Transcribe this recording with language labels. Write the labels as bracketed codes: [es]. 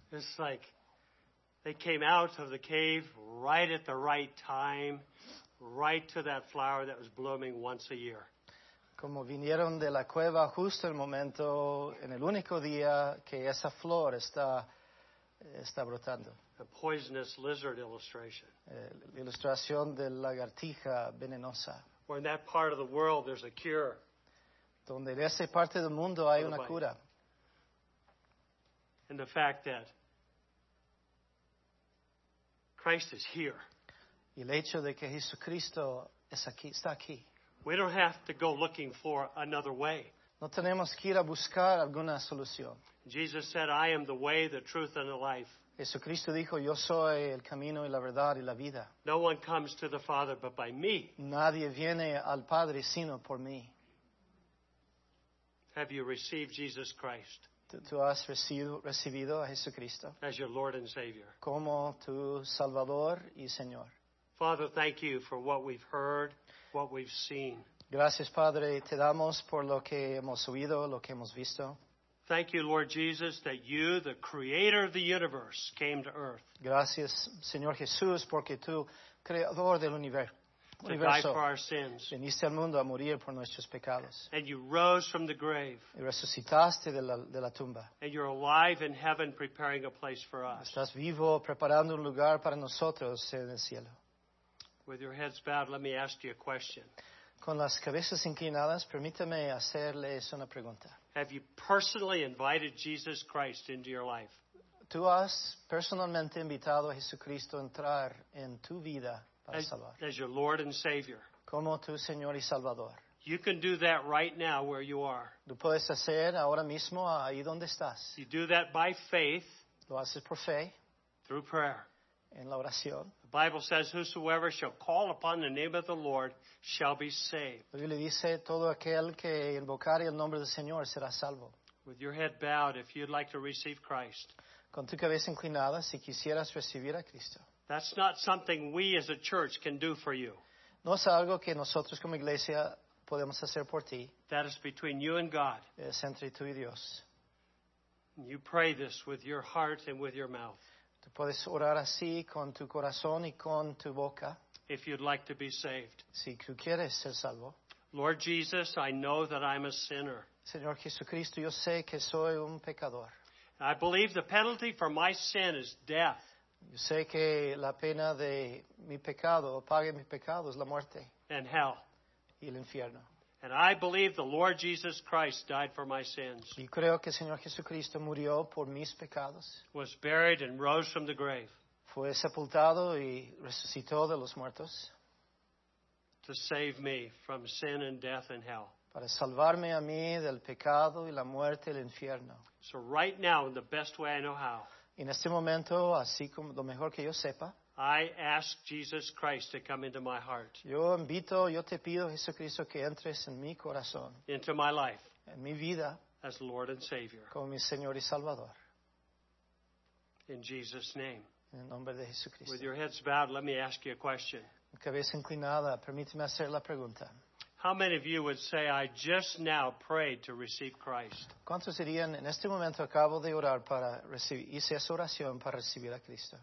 [en] It's like they came out of the cave right at the right time. Right to that flower that was blooming once a year. [es] Como vinieron de la cueva justo el momento, en el único día que esa flor está brotando. [en] A poisonous lizard illustration. [es] La ilustración de la lagartija venenosa. [en] Where in that part of the world there's a cure. [es] Donde en esa parte del mundo hay una cura. [en] And the fact that Christ is here. [es] Y el hecho de que Jesucristo está aquí. [en] We don't have to go looking for another way. [es] No tenemos que ir a buscar alguna solución. [en] Jesus said, I am the way, the truth, and the life. [es] Jesucristo dijo, yo soy el camino y la verdad y la vida. [en] No one comes to the Father but by me. [es] Nadie viene al Padre sino por mí. [en] Have you received Jesus Christ? [es] ¿Tú has recibido a Jesucristo? [en] As your Lord and Savior. [es] Como tu Salvador y Señor. [en] Father, thank you for what we've heard, what we've seen. [es] Gracias, Padre. Te damos por lo que hemos oído, lo que hemos visto. [en] Thank you, Lord Jesus, that you, the creator of the universe, came to earth. [es] Gracias, Señor Jesús, porque tú, creador del universo, [en] to die for our sins. And you rose from the grave. [es] Y resucitaste de la tumba. [en] And you're alive in heaven preparing a place for us. [es] Estás vivo preparando un lugar para nosotros en el cielo. [en] With your heads bowed, let me ask you a question. [es] Con las cabezas inclinadas, permítame hacerles una pregunta. [en] Have you personally invited Jesus Christ into your life? [es] ¿Tú has personalmente invitado a Jesucristo a entrar en tu vida? [en] As your Lord and Savior. [es] Como tu Señor y Salvador. [en] You can do that right now where you are. [es] Lo puedes hacer ahora mismo ahí donde estás. [en] You do that by faith. [es] Lo haces por fe. [en] Through prayer. [es] En la oración. [en] The Bible says, whosoever shall call upon the name of the Lord shall be saved. [es] La Biblia dice, todo aquel que invocare el nombre del Señor será salvo. [en] With your head bowed, if you'd like to receive Christ. [es] Con tu cabeza inclinada, si quisieras recibir a Cristo. [en] That's not something we as a church can do for you. [es] No es algo que nosotros como iglesia podemos hacer por ti. [en] That is between you and God. [es] Es entre tú y Dios. [en] You pray this with your heart and with your mouth. [es] Tú puedes orar así con tu corazón y con tu boca. [en] If you'd like to be saved. [es] Si tú quieres ser salvo. [en] Lord Jesus, I know that I'm a sinner. [es] Señor Jesucristo, yo sé que soy un pecador. [en] I believe the penalty for my sin is death. [es] Yo sé que la pena de mi pecado, pague mi pecado, es la muerte. [en] And hell. [es] Y el infierno. [en] And I believe the Lord Jesus Christ died for my sins. [es] Y creo que el Señor Jesucristo murió por mis pecados. [en] Was buried and rose from the grave. [es] Fue sepultado y resucitó de los muertos. [en] To save me from sin and death and hell. [es] Para salvarme a mí del pecado y la muerte y el infierno. [en] So right now, in the best way I know how. [es] En este momento, así como lo mejor que yo sepa, [en] I ask Jesus Christ to come into my heart. [es] Yo invito, yo te pido, Jesucristo, que entres en mi corazón. [en] Into my life. [es] En mi vida. [en] As Lord and Savior. [es] Como mi Señor y Salvador. [en] In Jesus' name. [es] En el nombre de Jesucristo. [en] With your heads bowed, let me ask you a question. [es] Con cabeza inclinada, permíteme hacer la pregunta. [en] How many of you would say, I just now prayed to receive Christ? [es] ¿Cuántos dirían, en este momento acabo de orar para recibir, hice esa oración para recibir a Cristo?